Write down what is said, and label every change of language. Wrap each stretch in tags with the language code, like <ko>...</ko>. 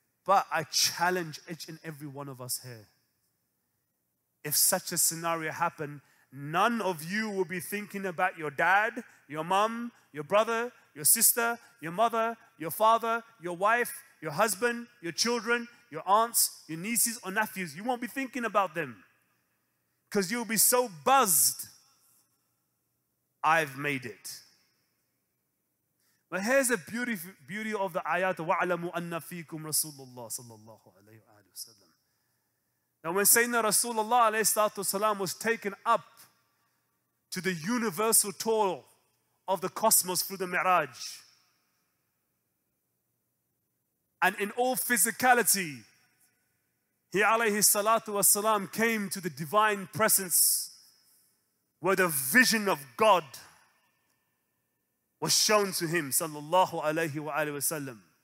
<en>But I challenge each and every one of us here. If such a scenario happened, none of you will be thinking about your dad, your mom, your brother, your sister, your mother, your father, your wife, your husband, your children, your aunts, your nieces or nephews. You won't be thinking about them because you'll be so buzzed. I've made it. But here's the beauty of the ayat,</en> <ar>وَعْلَمُوا أَنَّ فِيكُمْ رَسُولُ اللَّهِ صَلَّى اللَّهُ عَلَيْهِ وَسَلَّمُ.</ar> <en>Now when Sayyidina Rasulullah والسلام, was taken up to the universal tour of the cosmos through the Mi'raj, and in all physicality, he alayhi salatu wasalam came to the divine presence where the vision of God was shown to him, sallallahu alayhi wa alayhi wa sallam.</en>